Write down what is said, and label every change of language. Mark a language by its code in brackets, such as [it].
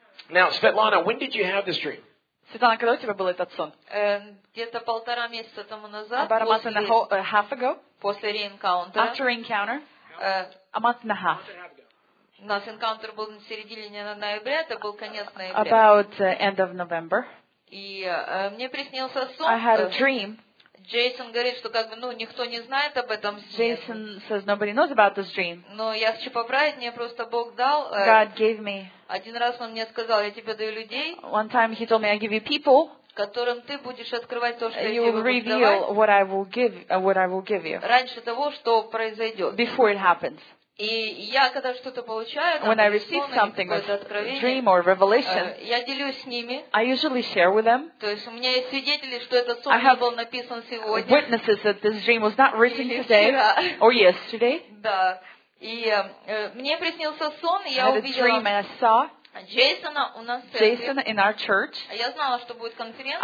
[en] Now, Svetlana, when did you have this dream? [ru] Светлана, когда у тебя был этот сон? Где-то полтора месяца тому назад. [en] About a month and a half ago. [ru] После реинкаунтера. [en] After encounter. A month and a half. [ru] У нас encounter был на середине ноября, это был конец ноября. [en] About end of November. [ru] И мне приснился сон. [en] I had a dream. [ru] Джейсон говорит, что как бы, ну, никто не знает об этом сне. [en] Jason says nobody knows about this dream. [ru] Но я хочу поправить, мне просто Бог дал. [en] God gave me. [ru] Один раз он мне сказал, я тебе даю людей. [en] One time he told me, I give you people. [ru] Которым ты будешь открывать то, что я тебе буду давать. [en] You will reveal what I will give you. [ru] Раньше того, что произойдет. [en] Before it happens. [ru] И я, когда что-то получаю, [en] when I receive something, a dream or revelation, [ru] я делюсь с ними. [en] I usually share with them. [ru] То есть у меня есть свидетели, что этот сон не был написан сегодня. [en] Witnesses that this dream was not written today or yesterday. [ru] Да. И мне приснился сон, и я увидела [en] dream and I saw [ru] Джейсона у нас в [en] Jason in our church. [ru] Я знала, что будет конференция.